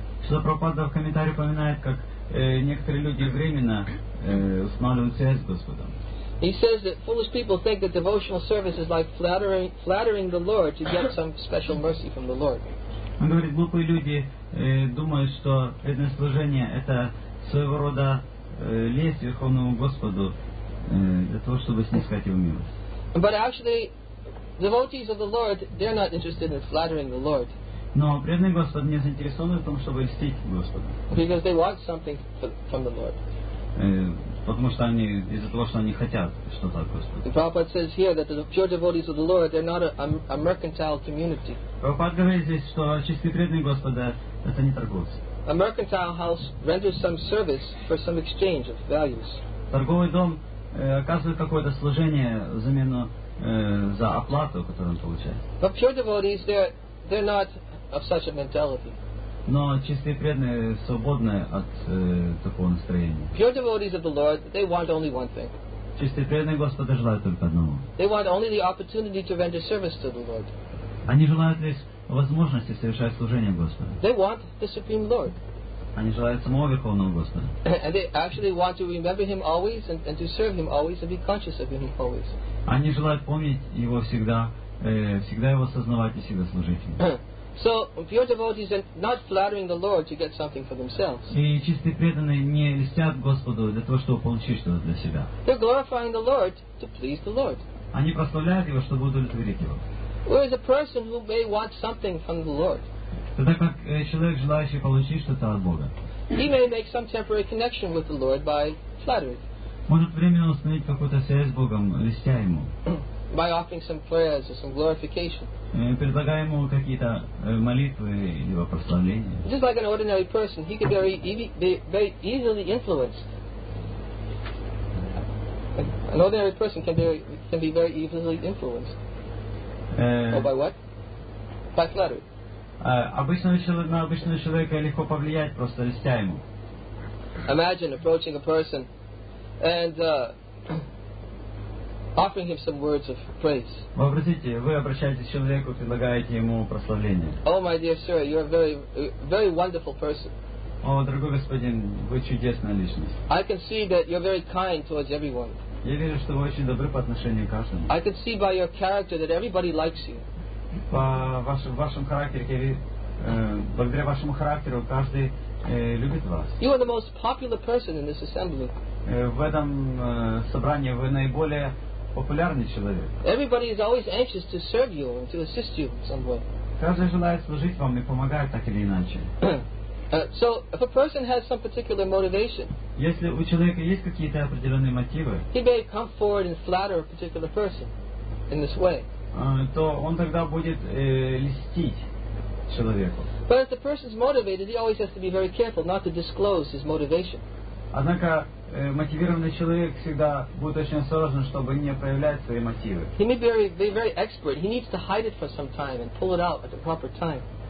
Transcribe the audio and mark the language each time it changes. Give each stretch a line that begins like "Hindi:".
Russian: Что Прабхупада в комментарии упоминает, как некоторые люди временно устанавливают связь с Господом.
English: He says that foolish people think that devotional service is like flattering the Lord to get some special mercy from the Lord.
Russian: Он говорит, глупые люди думают, что преданное служение — это своего рода лесть Верховному Господу для того, чтобы снискать его милость.
English: But actually, devotees of the Lord, they're not interested in flattering the Lord.
Russian: Но преданный Господь не заинтересован в том, чтобы льстить Господу.
English: Because they want something from the Lord.
Russian: Потому что они из-за того, что они хотят что-то от Господа.
English: Prabhupada says here that the pure devotees of the Lord they're not a mercantile community.
Russian: Prabhupada говорит здесь, что чистые преданные Господа это не торговцы.
English: A mercantile house renders some service for some exchange of values.
Russian: Торговый дом оказывает какое-то служение замену за оплату, которую он получает.
English: But pure devotees they're not of such a mentality.
Russian: Но чистые преданные свободны от такого настроения.
English: Pure devotees of the Lord, they want only one thing.
Russian: Чистые преданные Господа желают только одного.
English: They want only the opportunity to render service to the Lord.
Russian: Они желают лишь возможности совершать служение Господу.
English: They want the Supreme Lord.
Russian: Они желают самого Верховного Господа.
English: And they actually want to remember Him always and to serve Him always and be conscious of Him always.
Russian: Они желают помнить Его всегда, всегда Его осознавать и всегда служить Ему.
English: So pure devotees are not flattering the Lord to get something for themselves.
Russian: И чистые преданные не льстят Господу для того, чтобы получить что-то для себя.
English: They're glorifying the Lord to please the Lord.
Russian: Они прославляют Его, чтобы удовлетворить Его.
English: Whereas a person who may want something from the Lord.
Russian: Тогда как человек, желающий получить что-то от Бога.
English: He may make some temporary connection with the Lord by flattery.
Russian: Может временно установить какую-то связь с Богом, льстя Ему.
English: By offering some prayers or some glorification.
Russian: Предлагая ему какие-то молитвы или прославления.
English: Just like an ordinary person, he could very easily influenced. An ordinary person can be very easily influenced. Or by what? By flattery.
Russian: Обычного человека легко повлиять просто льстя ему.
English: Imagine approaching a person and offering him some words of praise.
Russian: Вообразите, вы обращаетесь к человеку, предлагаете ему прославление.
English: Oh, my dear sir, you are very, very wonderful person.
Russian: О, дорогой господин, вы чудесная личность.
English: I can see that you're very kind towards everyone.
Russian: Я вижу, что вы очень добры по отношению к каждому.
English: I can see by your character that everybody likes you.
Russian: вашем характере, благодаря вашему характеру, каждый любит вас.
English: You are the most popular person in this assembly.
Russian: В этом собрании вы наиболее популярный человек.
English: Everybody is always anxious to serve you and to assist you in some way.
Russian: Каждый желает служить вам и помогать так или иначе.
English: So, if a person has some particular motivation,
Russian: если у человека есть какие-то определенные мотивы,
English: he may come forward and flatter a particular person in this way.
Russian: То он тогда будет льстить человеку.
English: But if the person is motivated, he always has to be very careful not to disclose his motivation.
Russian: Однако мотивированный человек всегда будет очень осторожен, чтобы не проявлять свои мотивы.
English: He may be very expert. He needs to hide it for some time and pull it out at the proper time.